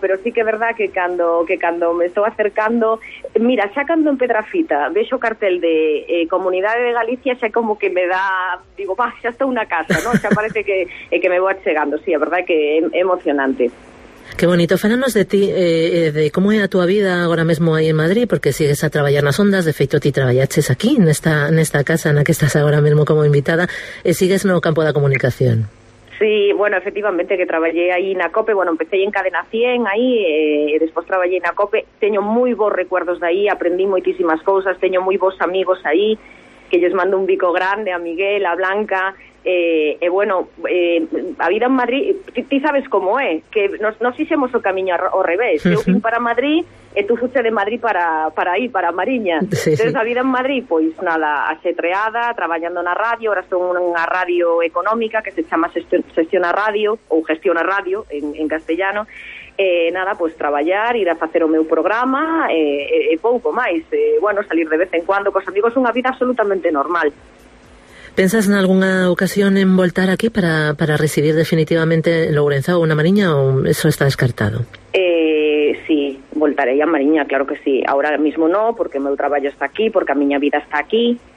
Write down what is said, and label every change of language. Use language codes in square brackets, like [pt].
[gl] Pero sí que é verdad que cando me estou acercando, mira, xa cando en Pedrafita vexo o cartel de Comunidade de Galicia, xa como que me dá, digo, bah, xa está unha casa, no? Xa parece que me vou achegando, sí, a verdad que é emocionante. Qué bonito. Fálanos de ti, [es] de cómo era tu vida ahora mismo ahí en Madrid, porque sigues a trabajar en las ondas, [gl] de feito ti traballaches aquí, [es] en esta casa en la que estás ahora mismo como invitada, sigues en el campo de la comunicación. [gl] Sí, bueno, efectivamente, que traballé aí na COPE, bueno, empecé en Cadena 100 aí, e despois traballé na COPE, teño moi bons recuerdos de aí, aprendí moitísimas cousas, teño moi bons amigos aí, que lles mando un bico grande, a Miguel, a Blanca. A vida en Madrid, ti sabes como é, que nos fixemos o camiño ao revés. Eu vim para Madrid e tú fuches de Madrid para aí, para Mariña. Entón, a vida en Madrid, pois nada, axetreada, traballando na radio, ora son unha radio económica que se chama Xestiona Radio, ou Gestiona Radio en castellano. Nada, pois traballar, ir a facer o meu programa e pouco máis. Bueno, salir de vez en cuando cos amigos, unha vida absolutamente normal. ¿Pensas en alguna ocasión en voltar aquí para residir definitivamente en Lourenzá o en Mariña, o eso está descartado? Sí, voltaré a Mariña, claro que sí. [es] Ahora mismo no, [gl] porque meu traballo está aquí, porque a miña vida está aquí.